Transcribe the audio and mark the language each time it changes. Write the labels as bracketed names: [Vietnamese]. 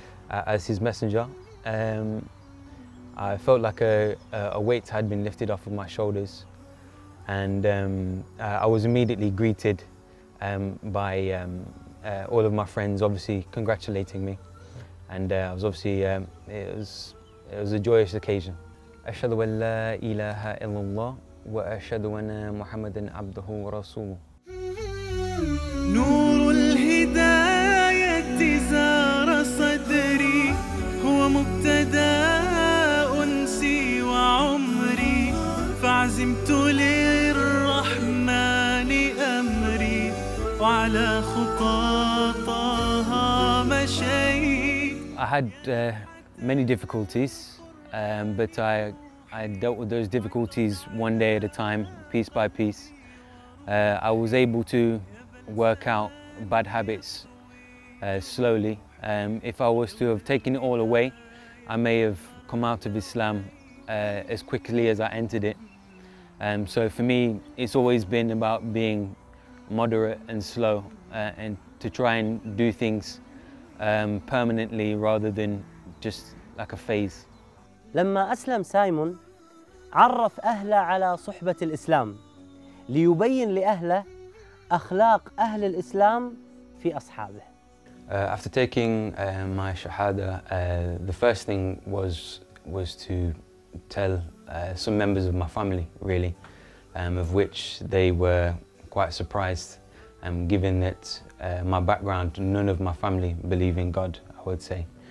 [English] as his messenger, I felt like a weight had been lifted off of my shoulders, and I was immediately greeted by all of my friends, obviously congratulating me, and I was obviously it was a joyous occasion. [Arabic] أشهد أن لا إله إلا الله وأشهد أن محمداً عبده ورسوله. نور الهداية زار صدري هو مبتدا أنسي وعمري فعزمت للرحمن أمري وعلى خطاها مشي. [English] I had many difficulties. But I dealt with those difficulties one day at a time, piece by piece. I was able to work out bad habits slowly. If I was to have taken it all away, I may have come out of Islam as quickly as I entered it. So for me, it's always been about being moderate and slow, and to try and do things permanently rather than just like a phase. [Arabic] لما أسلم سايمون عرف أهله على صحبة الإسلام ليبين لأهله أخلاق أهل الإسلام في أصحابه. [English] After taking my shahada, the first thing was to tell some members of my family, really, of which they were quite surprised, given that my background, none of my family believe in God, I would say.